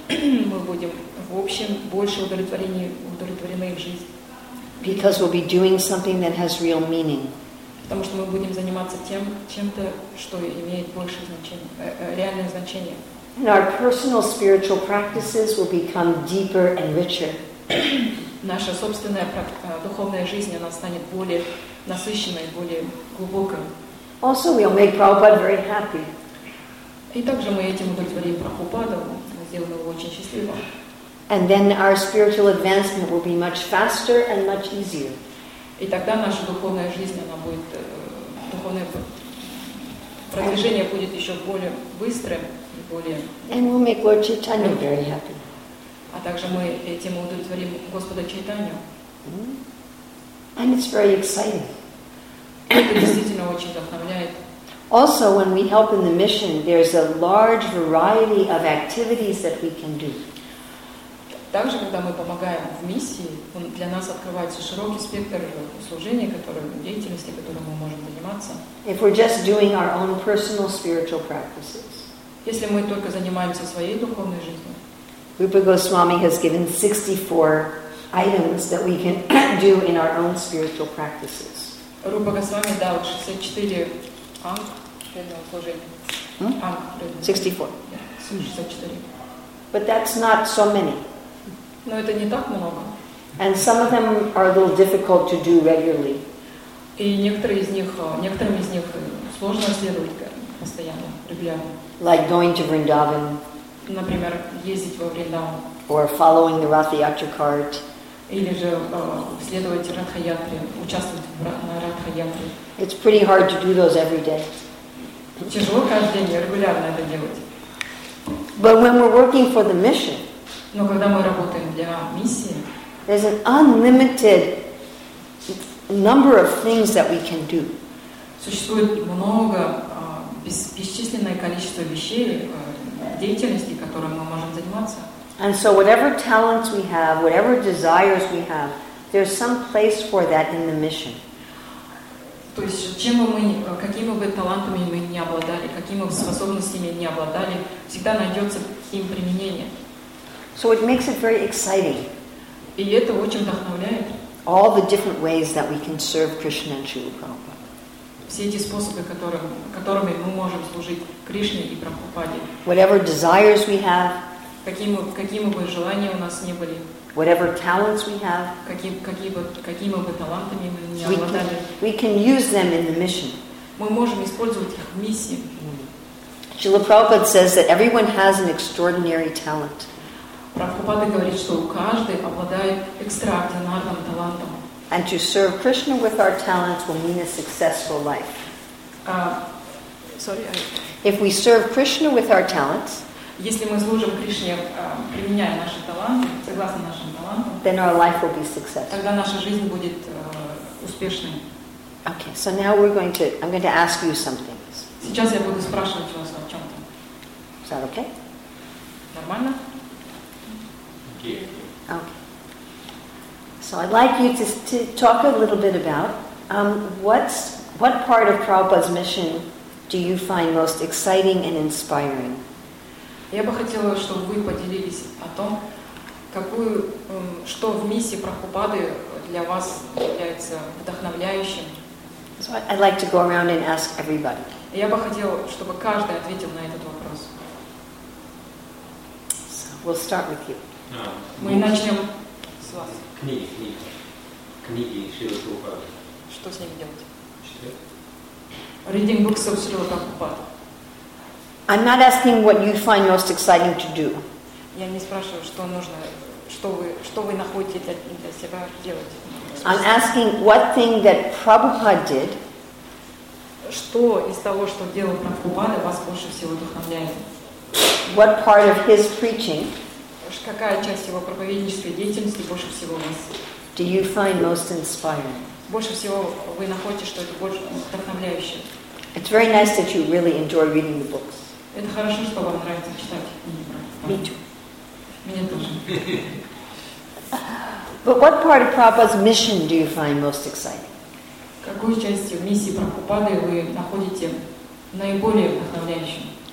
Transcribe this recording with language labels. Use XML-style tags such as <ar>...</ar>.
<ru>Мы будем в общем больше удовлетворены в жизни.</ru> <en>Because we'll be doing something that has real meaning.</en> <ru>Потому что мы будем заниматься тем, чем-то, что имеет большее значение, реальное значение.</ru> <en>And our personal spiritual practices will become deeper and richer.</en> <ru>Наша собственная духовная жизнь, она станет более насыщенной, более глубокой.</ru> <en>Also, we'll make Prabhupada very happy.</en> <ru>И также мы этим удовлетворим Прабхупаду, мы сделаем его очень счастливым.</ru> <en>And then our spiritual advancement will be much faster and much easier.</en> <ru>И тогда наша духовная жизнь, она будет, духовное продвижение будет еще более быстрым и более...</ru> <en>And we'll make Lord Chaitanya very happy.</en> <ru>А также мы этим удовлетворим Господа Чайтанью.</ru> <en>And it's very exciting.</en> <ru>Это действительно очень вдохновляет.</ru> <en>Also, when we help in the mission, there's a large variety of activities that we can do.</en> <ru>Также, когда мы помогаем в миссии, для нас открывается широкий спектр служений, деятельности, которым мы можем заниматься.</ru> <en>If we're just doing our own personal spiritual practices,</en> <ru>если мы только занимаемся своей духовной жизнью,</ru> <en>Rupa Goswami has given 64 items that we can do in our own spiritual practices.</en> <ru>Rupa Goswami дал 64 анг предного служения.</ru> <en>64. Yeah, 64. But that's not so many.</en> <ru>Но это не так много.</ru> <en>And some of them are a little difficult to do regularly.</en> <ru>И некоторым из них сложно следовать постоянно, регулярно.</ru> <en>Like going to Vrindavan.</en> <ru>Например, ездить во Вриндаван.</ru> <en>Or following the Ratha Yatra cart.</en> <ru>Или же следовать Ратха Ятре, участвовать на Ратха Ятре.</ru> <en>It's pretty hard to do those every day.</en> <ru>Тяжело каждый день регулярно это делать.</ru> <en>But when we're working for the mission.</en> <ru>Но когда мы работаем для миссии.</ru> <en>There's an unlimited number of things that we can do.</en> <ru>Существует много бесчисленное количество вещей, деятельности, которой мы можем заниматься.</ru> <en>And so whatever talents we have, whatever desires we have, there's some place for that in the mission.</en> <ru>То есть чем бы мы какими бы талантами мы не обладали, какими бы способностями не обладали, всегда найдется им применение.</ru> <en>So it makes it very exciting.</en> <ru>И это очень вдохновляет.</ru> <en>All the different ways that we can serve Krishna and Srila Prabhupada.</en> <ru>Все эти способы, которыми мы можем служить Кришне и Прабхупаде.</ru> <en>Whatever desires we have.</en> <ru>Какими бы желания у нас не были.</ru> <en>Whatever talents we have.</en> <ru>Какими бы талантами мы не обладали.</ru> <en>We can use them in the mission.</en> <ru>Мы можем использовать их в миссии.</ru> <en>Srila Prabhupada says that everyone has an extraordinary talent.</en> <ru>Прабхупада говорит, что каждый обладает экстраординарным талантом.</ru> <en>And to serve Krishna with our talents will mean a successful life. If we serve Krishna with our talents,</en> <ru>если мы служим Кришне, применяя наши таланты, согласно нашим талантам,</ru> <en>then our life will be successful.</en> <ru>Тогда наша жизнь будет успешной.</ru> <en>Okay, so now we're going to, I'm going to ask you some things.</en> <ru>Сейчас я буду спрашивать вас о чем-то.</ru> <en>Is that okay?</en> <ru>Нормально?</ru> <en>Okay. So I'd like you to talk a little bit about what part of Prabhupada's mission do you find most exciting and inspiring?</en> <ru>Я бы хотела, чтобы вы поделились о том, какую что в миссии Прабхупады для вас является вдохновляющим.</ru> <en>So I'd like to go around and ask everybody.</en> <ru>Я бы хотела, чтобы каждый ответил на этот вопрос.</ru> <en>So we'll start with you.</en> <ru>Мы начнем с вас. Книги Шрилы Прабхупады. Что с ними делать? Читать.</ru> <en>Reading books of Шрилы Прабхупады. I'm not asking what you find most exciting to do.</en> <ru>Я не спрашиваю, что нужно, что вы находите для себя делать.</ru> <en>I'm asking what thing that Prabhupada did.</en> <ru>Что из того, что делал Прабхупада, вас больше всего вдохновляет?</ru> <en>What part of his preaching?</en> <ru>Какая часть его проповеднической деятельности больше всего вас?</ru> <en>Do you find most inspiring?</en> <ru>Больше всего вы находите, что это больше вдохновляющее.</ru> <en>It's very nice that you really enjoy reading the books.</en> <ru>Это хорошо, что вам нравится читать.</ru> <en>Me too.</en> <ru>Меня тоже.</ru> <en>But what part of Prabhupada's mission do you find most exciting?</en> <ru>Какую часть миссии Прабхупады вы находите наиболее вдохновляющим?</ru>